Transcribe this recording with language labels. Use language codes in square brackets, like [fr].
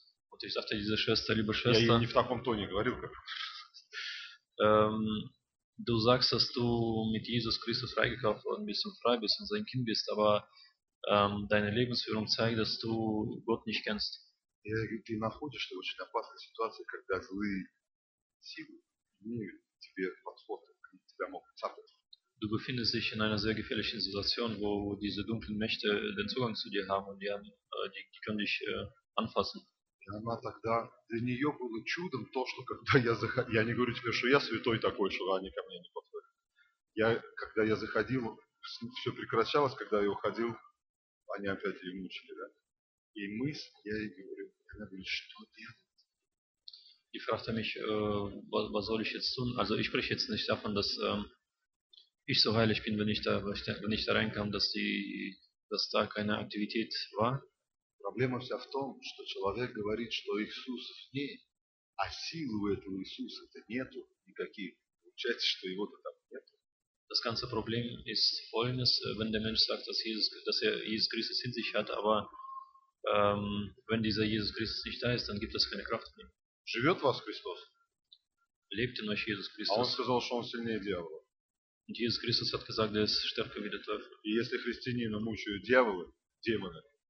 [ru] Вот я завтра, либо шеста. Я ей не в таком тоне говорил, как. [de] du sagst, dass du mit Jesus Christus freigekauft worden bist und frei bist und sein Kind bist, aber deine Lebensführung zeigt, dass du Gott nicht kennst. [ru] Ты находишься в очень опасной ситуации, когда злые силы имеют тебе подход, к тебя могут цапать. [de] Du befindest dich in einer sehr gefährlichen Situation, wo diese dunklen Mächte den Zugang zu dir haben und die können dich anfassen. [ru] И она тогда, для нее было чудом то, что когда я заходил, я не говорю тебе, что я святой такой, что они ко мне не подходят. Я, когда я заходил, все прекращалось, когда я уходил, они опять ее мучили, да? И мысль, я ей говорю, она говорит, что делать? [de] И fragte mich, was soll ich jetzt tun? Also ich spreche jetzt nicht davon, dass ich so heilig bin, wenn ich da reinkam, dass da keine Aktivität war. [ru] Проблема вся в том, что человек говорит, что Иисус в ней, а силы у этого Иисуса-то нету никаких. Получается, что его-то там нет. [de] Das ganze Problem ist folgendes, wenn der Mensch sagt, dass er Jesus Christus in sich hat, aber wenn dieser Jesus Christus nicht da ist, dann gibt es keine Kraft mehr. [ru] Живет вас Христос? [de] Lebt in euch Jesus Christus? [ru] А он сказал, что он сильнее дьявола. [de] Und Jesus Christus hat gesagt, er ist stärker wie der Teufel. [ru] И если христианина мучают дьяволы, демоны,